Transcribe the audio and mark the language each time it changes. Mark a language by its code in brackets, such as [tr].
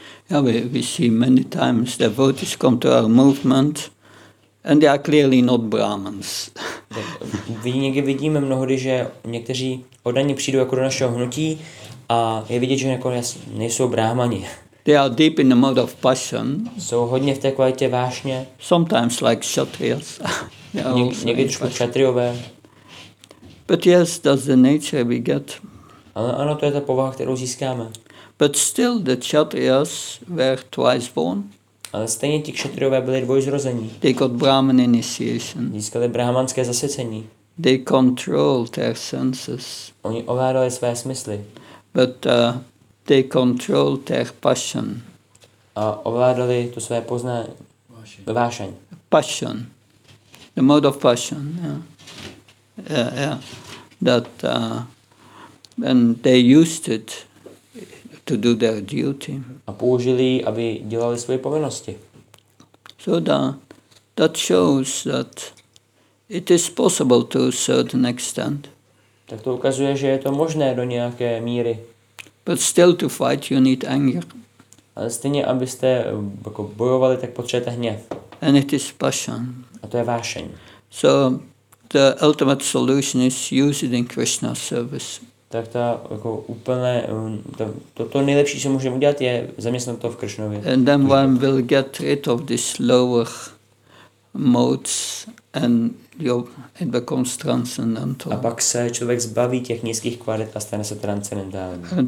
[en] Yeah, we see many times devotees come to our movement and they are clearly not Brahmans. [cs] Někdy vidíme mnohdy, že někteří oddaní přijdou jako do našeho hnutí, a je vidět, že nejsou brahmani. [en] They are deep in the mode of passion. [cs] Jsou hodně v té kvalitě vášně. [en] Sometimes like kshatriyas. [cs] Někdy trošku kshatriové. [en] But yes, that's the nature we get. [cs] Ale ano, to je ta povaha, kterou získáme. [en] But still the kshatriyas were twice born. [cs] Ale stejně ti kshatriové byli dvojzrození. [en] They got brahman initiation. [cs] Získali brahmanské zasvěcení. [en] They control their senses. [cs] Oni ovládali své smysly. [en] But they control their passion. [cs] A ovládali to své poznání. Vášeň. [en] Passion. The mode of passion. Yeah. That and they used it to do their duty. [cs] A použili, aby dělali své povinnosti. [en] So that shows that it is possible to a certain extent. [cs] Tak to ukazuje, že je to možné do nějaké míry. [en] But still to fight you need anger. [cs] Ale stejně, abyste jako bojovali, tak potřebujete hněv. [en] And it is passion. [cs] A to je vášeň. [en] So the ultimate solution is use it in Krishna service. [cs] Tak ta jako úplně to nejlepší, co můžeme udělat, je zaměstnat to v Krishnově. [en] And then one will get rid of these lower modes and you it becomes transcendental. [cs] A pak se člověk zbaví těch nízkých kvalit a stane se transcendentální.